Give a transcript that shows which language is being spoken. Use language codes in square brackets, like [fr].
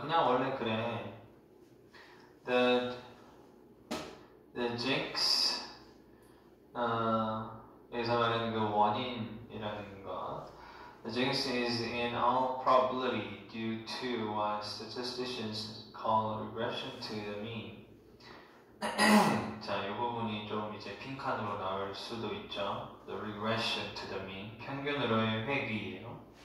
[ko] 그냥 원래 그래. [en] The jinx, [ko] 여기서 말하는 그 원인이라는 것. [en] The jinx is in all probability due to what statisticians call regression to the mean. [ko] 자, 이 부분이 좀 이제 핀칸으로 나올 수도 있죠. [en] The regression to the mean, [ko] 평균으로의 회귀예요.